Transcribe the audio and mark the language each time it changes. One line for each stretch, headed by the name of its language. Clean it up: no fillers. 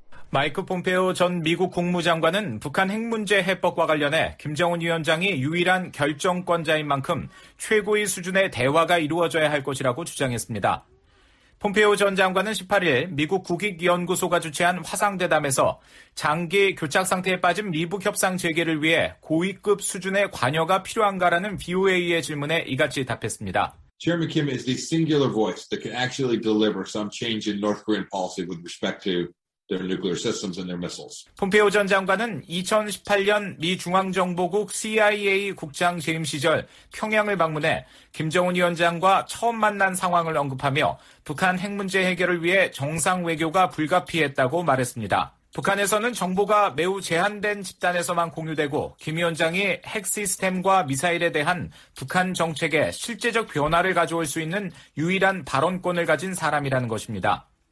Korean: 마이크 폼페오 전 미국 국무장관은 북한 핵 문제 해법과 관련해 김정은 위원장이 유일한 결정권자인 만큼 최고의 수준의 대화가 이루어져야 할 것이라고 주장했습니다. 폼페이오 전 장관은 18일 미국 국익연구소가 주최한 화상대담에서 장기 교착 상태에 빠진 미북 협상 재개를 위해 고위급 수준의 관여가 필요한가라는 VOA의 질문에 이같이 답했습니다.
English: Chairman Kim is the singular voice that can actually deliver some change in North Korean policy with respect to their nuclear systems and their missiles.
Korean: 폼페이오 전 장관은 2018년 미 중앙정보국 CIA 국장 재임 시절 평양을 방문해 김정은 위원장과 처음 만난 상황을 언급하며 북한 핵 문제 해결을 위해 정상 외교가 불가피했다고 말했습니다. 북한에서는 정보가 매우 제한된 집단에서만 공유되고 김 위원장이 핵 시스템과 미사일에 대한 북한 정책에 실제적 변화를 가져올 수 있는 유일한 발언권을 가진 사람이라는 것입니다.